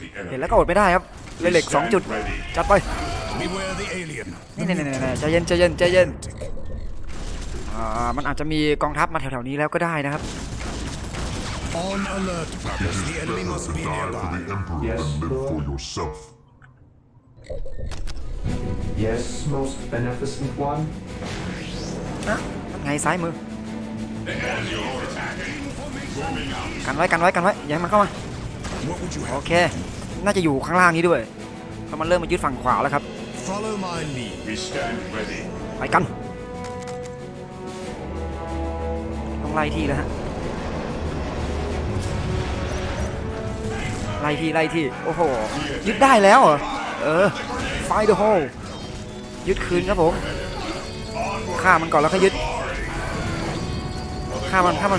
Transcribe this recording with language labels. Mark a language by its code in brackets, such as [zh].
[th] เห็นแล้วก็อดไม่ได้ครับเหล็ก2จุดจัดไปนี่ๆๆๆใจเย็นมันอาจจะมีกองทัพมาแถวๆนี้แล้วก็ได้นะครับ [en] On alert, the enemy must be nearby. Yes, Lord. Yourself. Yes, most beneficent one. [th] ไงซ้ายมือ กันไว้กันไว้กันไว้อย่าให้มันเข้ามาโอเคน่าจะอยู่ข้างล่างนี้ด้วยเพราะมันเริ่มมายึดฝั่งขวาแล้วครับ [en] Follow my lead. We stand ready. [th] ไปกันต้องไล่ที่แล้วฮะไล่ที่โอ้โหยึดได้แล้วเหรอไฟเดอะโฮลยึดคืนครับผมฆ่ามันก่อนแล้วค่อยยึดฆ่ามัน